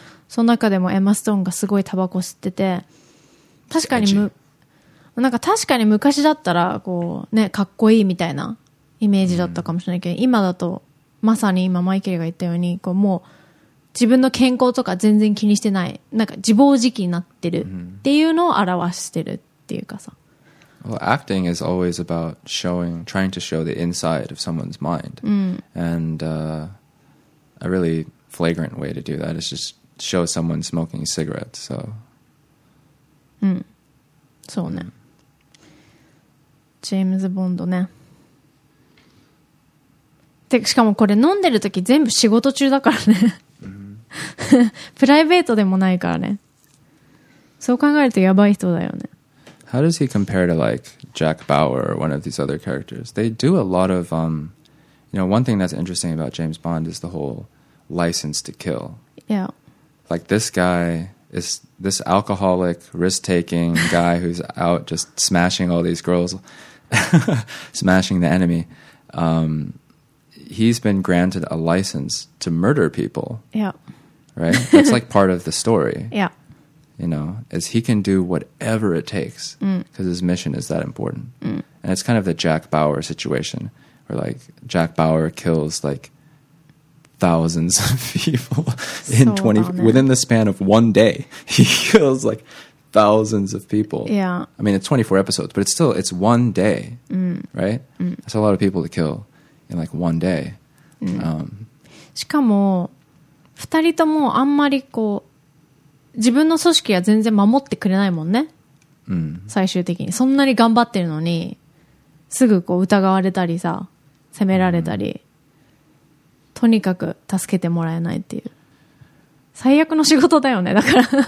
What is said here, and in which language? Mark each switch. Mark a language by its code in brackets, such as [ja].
[ja] その中でも Emma Stone がすごいタバコ吸ってて、確かに無なんか確かに昔だったらこう、ね、かっこいいみたいなイメージだったかもしれないけど、うん、今だとまさに今マイケルが言ったようにこうもう自分の健康とか全然気にしてない、なんか自暴自棄になってるっていうのを表してるっていうかさ、 [en] うん、Well, acting is always about showing, trying to show the inside of someone's mind、うん、 and a really flagrant way to do that is just show someone smoking cigarettes so [ja] うんそうね、ジェームズ・ボンドね。でしかもこれ飲んでる時全部仕事中だからねプライベートでもないからね。そう考えるとやばい人だよね。 [en] How does he compare to like Jack Bauer or one of these other characters? They do a lot of you know, one thing that's interesting about James Bond is the whole license to kill. Yeah. Like this guy is this alcoholic, risk-taking guy who's out just smashing all these girls, smashing the enemy. He's been granted a license to murder people. Yeah. Right? That's like part of the story. Yeah. You know, is he can do whatever it takes because his mission is that important. Mm. And it's kind of the Jack Bauer situation where, like, Jack Bauer kills, like, thousands of people within the span of one day. He kills like thousands of people. Yeah. I mean, it's 24 episodes, but it's one day, right? Mm. That's a lot of people to kill in like one day. [ja] しかも、二人ともあんまりこう、自分の組織は全然守ってくれないもんね。最終的に。そんなに頑張ってるのに、すぐこう疑われたりさ、責められたり。とにかく助けてもらえないっていう最悪の仕事だよねだから